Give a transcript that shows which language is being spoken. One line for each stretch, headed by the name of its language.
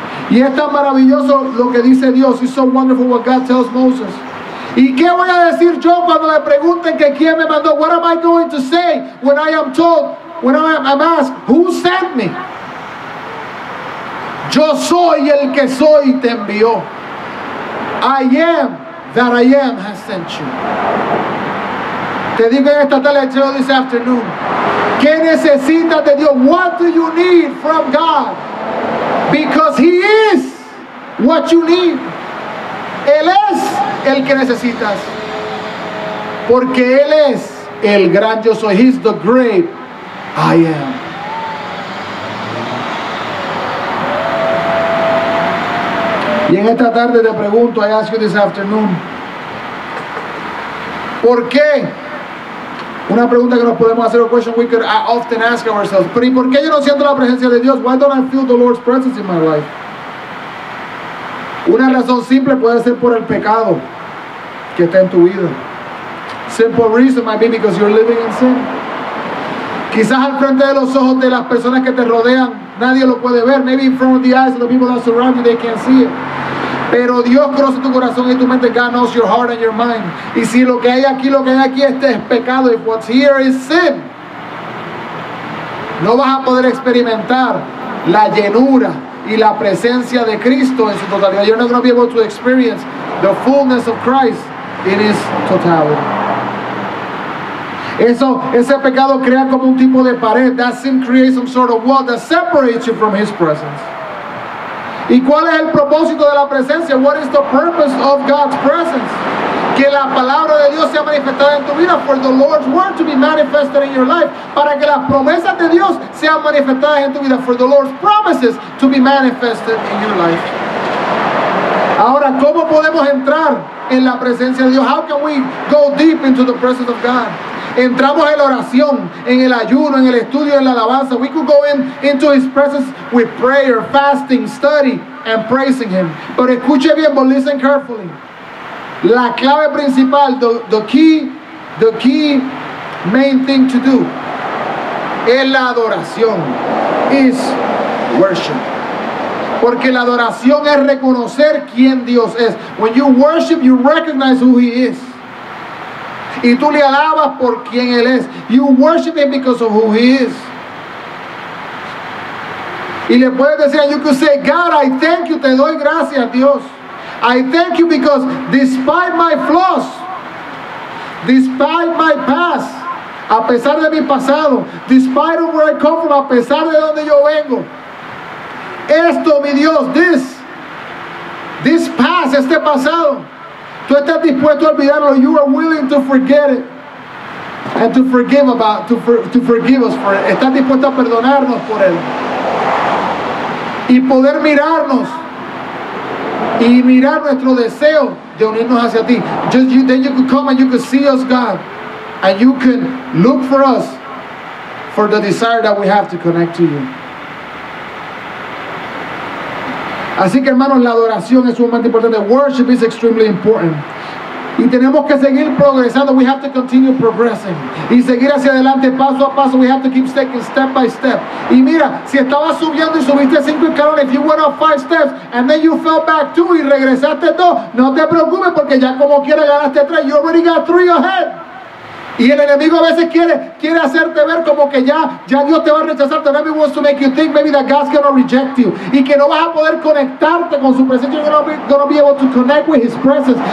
Spanish: Y es tan maravilloso lo que dice Dios.
English: It's so wonderful what God tells Moses.
Spanish: ¿Y qué voy a decir yo cuando le pregunten que quién me mandó?
English: What am I going to say when I am told, when I'm asked, who sent me?
Spanish: Yo soy el que soy te envió.
English: I am that I am has sent you.
Spanish: Te digo en esta tarde,
English: this afternoon,
Spanish: ¿qué necesitas de Dios?
English: What do you need from God? Because He is what you need.
Spanish: Él es el que necesitas. Porque Él es el gran yo soy.
English: He's the great I am.
Spanish: Y en esta tarde te pregunto,
English: I ask you this afternoon,
Spanish: ¿por qué? Una pregunta que nos podemos hacer,
English: a question we could often ask ourselves.
Spanish: ¿Pero por qué yo no siento la presencia de Dios?
English: Why don't I feel the Lord's presence in my life?
Spanish: Una razón simple puede ser por el pecado que está en tu vida.
English: Simple reason might be because you're living in sin.
Spanish: Quizás al frente de los ojos de las personas que te rodean, nadie lo puede ver.
English: Maybe in front of the eyes of the people that surround you, they can't see it.
Spanish: Pero Dios conoce tu corazón y tu mente.
English: God knows your heart and your mind.
Spanish: Y si lo que hay aquí, lo que hay aquí, este es pecado.
English: If what's here is sin,
Spanish: no vas a poder experimentar la llenura y la presencia de Cristo en su totalidad.
English: You're not going to be able to experience the fullness of Christ in His totality.
Spanish: Eso, ese pecado crea como un tipo de pared.
English: That sin creates some sort of wall that separates you from His presence.
Spanish: ¿Y cuál es el propósito de la presencia? What is the purpose of God's presence? Que la palabra de Dios sea manifestada en tu vida.
English: For the Lord's word to be manifested in your life.
Spanish: Para que las promesas de Dios sean manifestadas en tu vida.
English: For the Lord's promises to be manifested in your life.
Spanish: Ahora, ¿cómo podemos entrar en la presencia de Dios?
English: How can we go deep into the presence of God?
Spanish: Entramos en la oración, en el ayuno, en el estudio, en la alabanza.
English: We could go into his presence with prayer, fasting, study, and praising him.
Spanish: Pero escuche bien,
English: but listen carefully.
Spanish: La clave principal,
English: the key main thing to do
Spanish: es la adoración,
English: is worship.
Spanish: Porque la adoración es reconocer quién Dios es.
English: When you worship, you recognize who he is.
Spanish: Y tú le alabas por quién él es.
English: You worship him because of who he is.
Spanish: Y le puedes decir,
English: you could say, God, I thank you,
Spanish: te doy gracias, Dios.
English: I thank you because despite my flaws, despite my past,
Spanish: a pesar de mi pasado,
English: despite of where I come from,
Spanish: a pesar de donde yo vengo, esto, mi Dios,
English: this past,
Spanish: este pasado, tú estás dispuesto a olvidarlo.
English: You are willing to forget it and to forgive about, to forgive us for it.
Spanish: Estás dispuesto a perdonarnos por él y poder mirarnos y mirar nuestro deseo de unirnos hacia ti.
English: Just you, then you could come and you could see us, God, and you can look for us for the desire that we have to connect to you.
Spanish: Así que, hermanos, la adoración es sumamente importante.
English: Worship is extremely important.
Spanish: Y tenemos que seguir progresando.
English: We have to continue progressing.
Spanish: Y seguir hacia adelante, paso a paso.
English: We have to keep taking step by step.
Spanish: Y mira, si estabas subiendo y subiste 5 escalones,
English: if you went up 5 steps and then you fell back 2
Spanish: y regresaste 2, no te preocupes, porque ya como quiera ganaste 3.
English: You already got 3 ahead.
Spanish: Y el enemigo a veces quiere hacerte ver como que ya Dios te va a rechazar.
English: The enemy wants to make you think maybe that God's going to reject you.
Spanish: Y que no vas a poder conectarte con su presencia.
English: You're not going to be able to connect with his presence.